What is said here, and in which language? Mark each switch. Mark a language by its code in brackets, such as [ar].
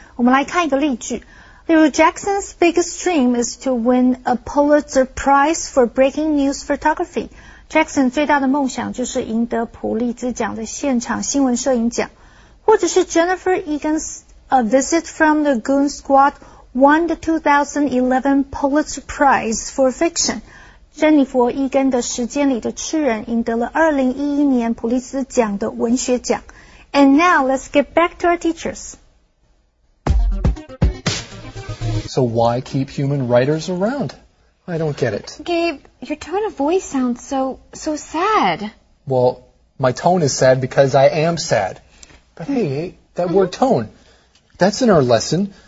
[zh] 我们来看一个例句, 例如 [en] Jackson's biggest dream is to win a Pulitzer Prize for breaking news photography. [zh] Jackson 最大的梦想就是赢得普利兹奖的现场新闻摄影奖。或者是 [en] Jennifer Egan's A Visit from the Goon Squad won the 2011 Pulitzer Prize for fiction. [zh] 珍妮佛·伊根的《时间里的痴人》赢得了2011年普利兹奖的文学奖。 [en] And now, let's get back to our teachers. So why keep human writers around? I don't get it. Gabe, your tone of voice sounds so sad. Well, my tone is sad because I am sad. But hey, that word tone, that's in our lesson.